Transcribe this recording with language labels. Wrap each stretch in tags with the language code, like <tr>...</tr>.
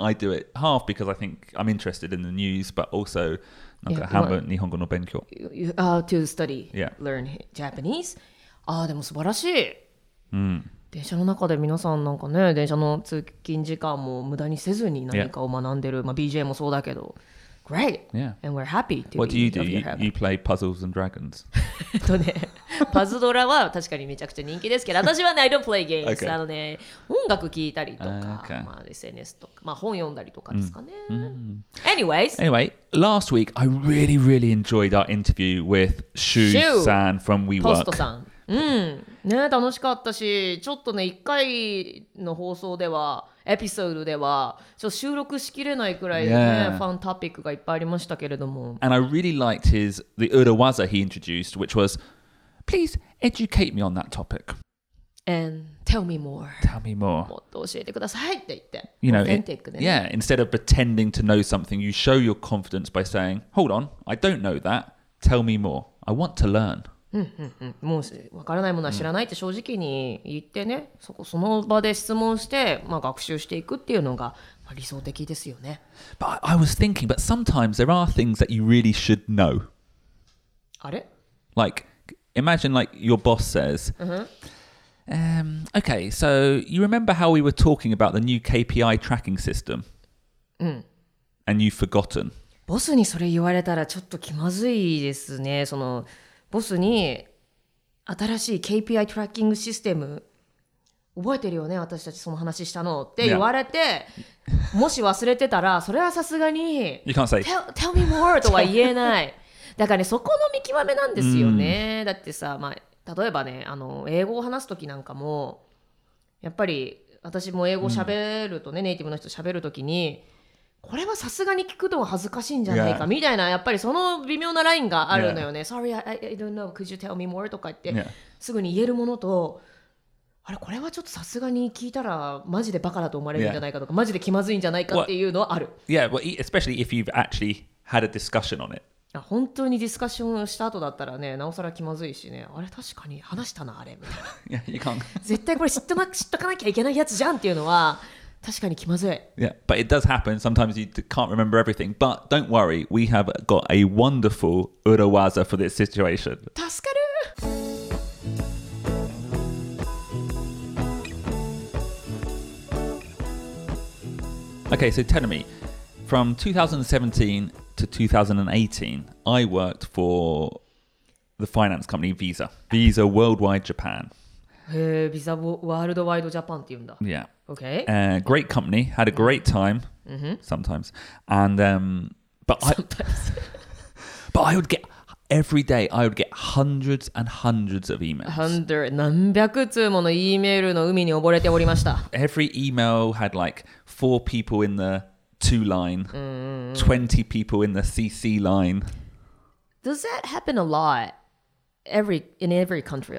<en>I do it half because I think I'm interested in the news, but also</en> <ja>なんか半分日本語の勉強。</ja> <en>To study, learn Japanese.</en> <ja>ああ、でも素晴らしい。電車の中で皆さんなんかね、電車の通勤時間も無駄にせずに何かを学んでる、まあ BJ もそうだけど、Great,</ja> <en>yeah, and we're happy to be here. What do you do? You play Puzzles and Dragons.</en> <ja>ね、パズドラは確かにめちゃくちゃ人気ですけど、私はね、</ja> <en>I don't play games. Okay.</en> <ja>あのね、音楽聞いたりとか、</ja> <en>okay.</en> <ja>まあ SNS とか、まあ本読んだりとかですかね。</ja> <en>Mm-hmm. Anyways. Anyway, last week I really, really enjoyed our interview with Shu-san from WeWork.</en> <ja>ポストさん。ね、楽しかったし、ちょっとね、1回の放送では、エピソードでは、ちょっと収録しきれないくらいね、ファンタピックがいっぱいありましたけれども。</ja> <en>And I really liked the urawaza he introduced, which was, please educate me on that topic. And tell me more. Tell me more. もっと教えてくださいって言って。 You know, instead of pretending to know something, you show your confidence by saying, hold on, I don't know that. Tell me more. I want to learn.</en> <ja>もう分からないものは知らないって正直に言ってね、その場で質問して、まあ、学習していくっていうのが理想的ですよね。</ja> <en>But I was thinking, but sometimes there are things that you really should know.</en> <ja>あれ?</ja> <en>Like, imagine like your boss says,、okay, so you remember how we were talking about the new KPI tracking system? And you've forgotten.</en> <ja>ボスにそれ言われたらちょっと気まずいですね。そのボスに新しい KPI トラッキングシステム覚えてるよね私たちその話したのって言われて、もし忘れてたらそれはさすがに</ja> <en>You can't say Tell me more</en> <ja>とは言えないだからねそこの見極めなんですよね、だってさ、まあ、例えばねあの英語を話すときなんかもやっぱり私も英語喋るとね、ネイティブの人喋るときにこれはさすがに聞くと恥ずかしいんじゃないかみたいな、やっぱりその微妙なラインがあるのよね。</ja> <en>Sorry, I don't know. Could you tell me more?</en> <ja>とか言って、すぐに言えるものと、あれ、これはちょっとさすがに聞いたらマジでバカだと思われるんじゃないかとか、マジで気まずいんじゃないかっていうのはある。</ja> <en>Well, yeah, well, especially if you've actually had a discussion on it.</en> <ja>本当にディスカッションした後だったらね、なおさら気まずいしね、あれ確かに話したな、あれみたいな。</ja> <en>Yeah, you can't.</en> <ja>絶対これ知っとかなきゃいけないやつじゃんっていうのは、確かに気まずい。</ja> <en>Yeah, but it does happen. Sometimes you can't remember everything. But don't worry, we have got a wonderful urawaza for this situation.</en> <ja>助かる。</ja> <en>Okay, so tell me, from 2017 to 2018, I worked for the finance company Visa. Visa Worldwide Japan.</en> <ja>Visa Worldwide Japan って言うんだ。</ja> <en>Yeah. Okay. Great company. Had a great time. Sometimes. And, but I would get, every day, I would get hundreds and hundreds of emails.</en> <ja>何百通もの E メールの海に溺れておりました。</ja> <en>Every email had like 4 people in the 2 line, 20 people in the CC line. Does that happen a lot in every country?</en>